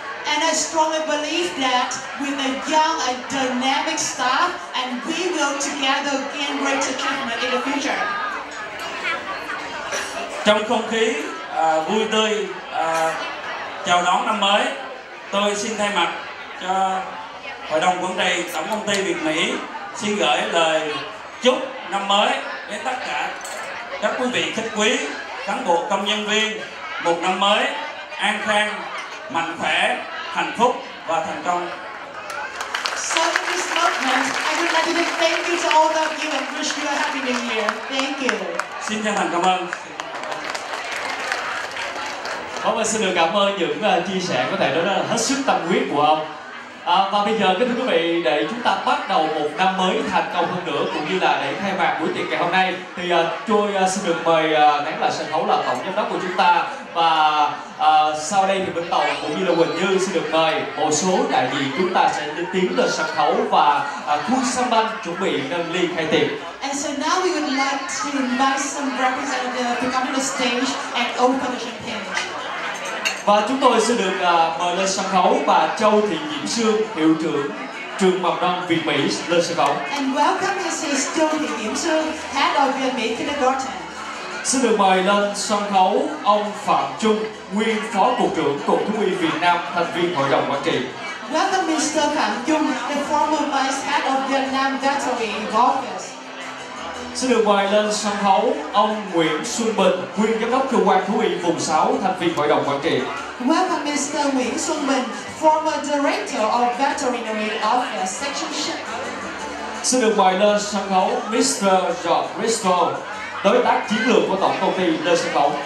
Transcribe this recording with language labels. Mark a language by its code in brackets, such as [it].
[en] And I strongly believe that with a young and dynamic staff and we will together gain great achievement in the future. [vi] Trong không khí vui tươi chào đón năm mới, tôi xin thay mặt cho Hội đồng Quản trị Tổng Công ty Việt Mỹ xin gửi lời chúc năm mới đến tất cả các quý vị khách quý, cán bộ công nhân viên một năm mới an khang, mạnh khỏe, hạnh phúc và thành công. [en] So in this moment, I would like to say thank you to all of you and wish you a happy new year. Thank you. [vi] Xin chân thành cảm ơn. Ông ơi, xin được cảm ơn những chia sẻ có thể nói là hết sức tâm huyết của ông. Và bây giờ kính thưa quý vị, để chúng ta bắt đầu một năm mới thành công hơn nữa cũng như là để khai mạc buổi tiệc ngày hôm nay thì tôi xin được mời nắng là sân khấu là tổng giám đốc của chúng ta và sau đây thì Minh Tàu cũng như là Quỳnh Như xin được mời một số đại diện chúng ta sẽ tiến lên sân khấu và khuôn sân banh chuẩn bị nâng ly khai tiệc. [en] And so now we would like to invite some representatives to come to the stage and open the champagne. [vi] Và chúng tôi sẽ được mời lên sân khấu bà Châu Thị Diễm Sương, hiệu trưởng trường mầm non Việt Mỹ lên sân khấu. [en] And welcome, this is Châu Thị Diễm Sương, head of Việt Mỹ kindergarten. [vi] Xin được mời lên sân khấu ông Phạm Trung, nguyên phó cục trưởng cục thú y Việt Nam, thành viên hội đồng quản trị. [en] Welcome Mr. Phạm Trung, the former vice head of Vietnam Veterinary Office. [vi] Xin được mời lên sân khấu ông Nguyễn Xuân Bình, nguyên giám đốc cơ quan thú y vùng 6, thành viên hội đồng quản trị. [en] Welcome Mr. Nguyễn Xuân Bình, former director of veterinary office section. [vi] Xin được mời lên sân khấu Mr. George Crystal, đối tác chiến lược của tổng công ty lên sân khấu.